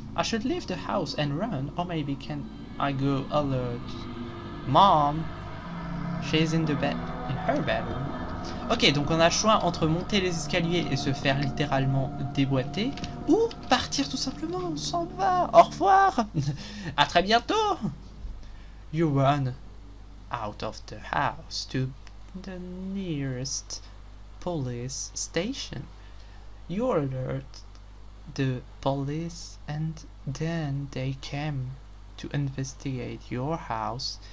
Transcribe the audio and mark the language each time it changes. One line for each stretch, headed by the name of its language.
English: I should leave the house and run, or maybe can I go alert? Mom! She's in the bed, in her bedroom.
French: Ok, donc on a le choix entre monter les escaliers et se faire littéralement déboîter. Ou partir tout simplement, on s'en va, au revoir, à très bientôt.
English: You run out of the house to the nearest police station. You alert the police and then they came to investigate your house.